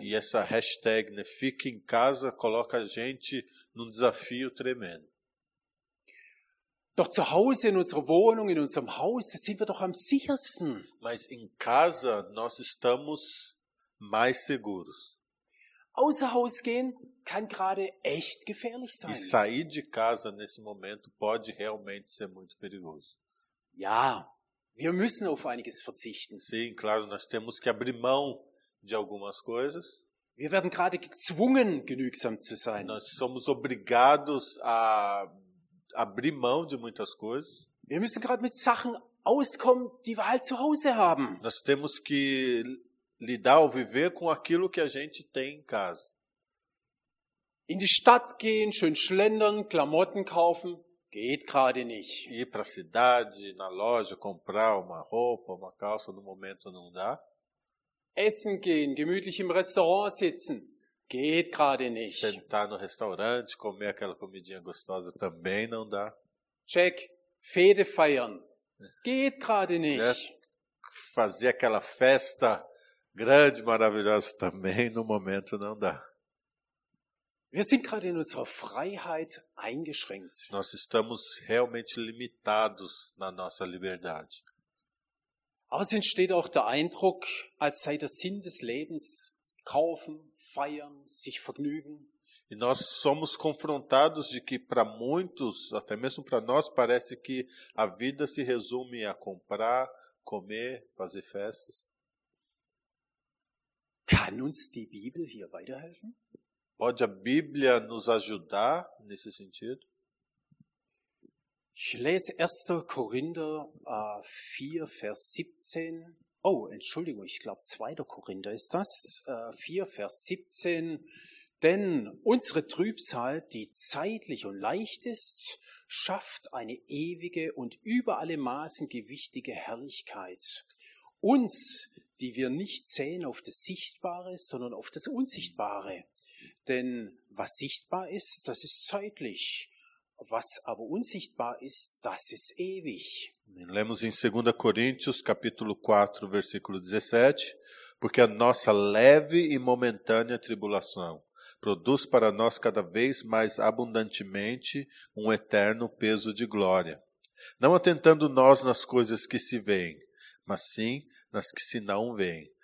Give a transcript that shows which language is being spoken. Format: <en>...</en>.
<pt>E essa hashtag, né, Fique em Casa, coloca a gente num desafio tremendo.</pt> <de>Doch zu Hause, in unserer Wohnung, in unserem Haus, da sind wir doch am sichersten.</de> <pt>Mas em casa, nós estamos mais seguros.</pt> <de>Außer Haus gehen kann gerade echt gefährlich sein.</de> <pt>E sair de casa nesse momento pode realmente ser muito perigoso.</pt> <de>Ja. Wir müssen auf einiges verzichten.</de> <pt>Sim, claro, nós temos que abrir mão de algumas coisas.</pt> <de>Wir werden gerade gezwungen, genügsam zu sein.</de> <pt>Nós somos obrigados a abrir mão de muitas coisas.</pt> <de>Wir müssen gerade mit Sachen auskommen, die wir halt zu Hause haben.</de> <pt>Nós temos que lidar ou viver com aquilo que a gente tem em casa.</pt> <de>In die Stadt gehen, schön schlendern, Klamotten kaufen, geht gerade nicht.</de> <pt>Ir para a cidade, na loja, comprar uma roupa, uma calça, no momento não dá.</pt> <de>Essen gehen, gemütlich im Restaurant sitzen, geht gerade nicht.</de> <pt>Sentar no restaurante, comer aquela comidinha gostosa, também não dá.</pt> <de>Check, Fete feiern, geht gerade nicht.</de> <pt>Fazer aquela festa grande, maravilhosa, também no momento não dá.</pt> <de>Wir sind gerade in unserer Freiheit eingeschränkt.</de> <pt>Nós estamos realmente limitados na nossa liberdade.</pt> <de>Aber es entsteht auch der Eindruck, als sei der Sinn des Lebens kaufen, feiern, sich vergnügen.</de> <pt>E nós somos confrontados de que para muitos, até mesmo para nós, parece que a vida se resume a comprar, comer, fazer festas.</pt> <de>Kann uns die Bibel hier weiterhelfen?</de> <pt>Pode a Bíblia nos ajudar nesse sentido?</pt> <de>Ich lese 1. Korinther 4, Vers 17. Oh, Entschuldigung, ich glaube 2. Korinther ist das. 4, Vers 17. Denn unsere Trübsal, die zeitlich und leicht ist, schafft eine ewige und über alle Maßen gewichtige Herrlichkeit. Uns, die wir nicht sehen auf das Sichtbare, sondern auf das Unsichtbare. Denn was sichtbar ist, das ist zeitlich. Was aber unsichtbar ist, das ist ewig.</de> <pt>Lemos em 2 Coríntios, capítulo 4, versículo 17, porque a nossa leve e momentânea tribulação produz para nós cada vez mais abundantemente um eterno peso de glória. Não atentando nós nas coisas que se veem, mas sim nas que se não veem.</pt>